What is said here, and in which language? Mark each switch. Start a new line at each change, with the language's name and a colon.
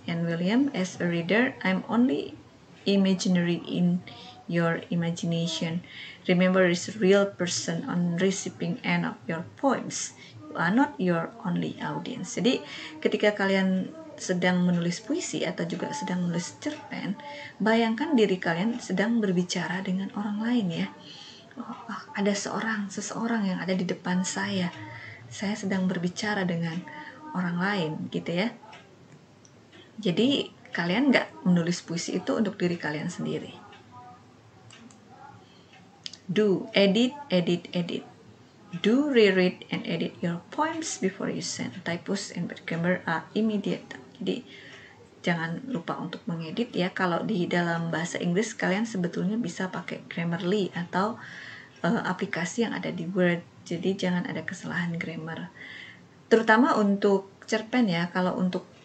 English: And William, as a reader, I'm only imaginary in your imagination. Remember, it's a real person on receiving end of your poems. You are not your only audience.
Indonesian: Jadi, ketika kalian sedang menulis puisi atau juga sedang menulis cerpen, bayangkan diri kalian sedang berbicara dengan orang lain ya. Oh, ada seseorang yang ada di depan saya. Saya sedang berbicara dengan orang lain, gitu ya. Jadi, kalian nggak menulis puisi itu untuk diri kalian sendiri.
English: Do, edit. Do, reread, and edit your poems before you send. Typos and bad grammar are immediate.
Indonesian: Jadi, jangan lupa untuk mengedit ya. Kalau di dalam bahasa Inggris, kalian sebetulnya bisa pakai Grammarly atau aplikasi yang ada di Word. Jadi, jangan ada kesalahan grammar. Terutama untuk cerpen ya, kalau untuk